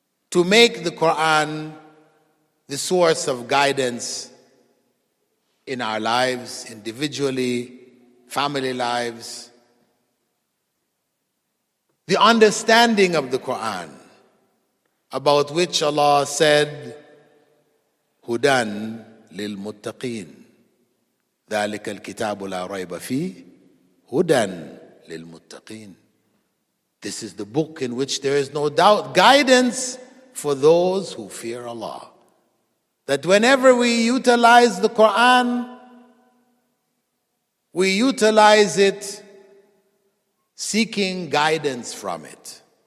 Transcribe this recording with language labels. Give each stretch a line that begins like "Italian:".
English: To make the Quran the source of guidance in our lives, individually, family lives. The understanding of the Quran, about which Allah said, Hudan lil muttaqin.
Arabic: ذلك الكتاب لا ريب فيه هدى للمتقين.
English: This is the book in which there is no doubt, guidance for those who fear Allah. That whenever we utilize the Quran, we utilize it seeking guidance from it.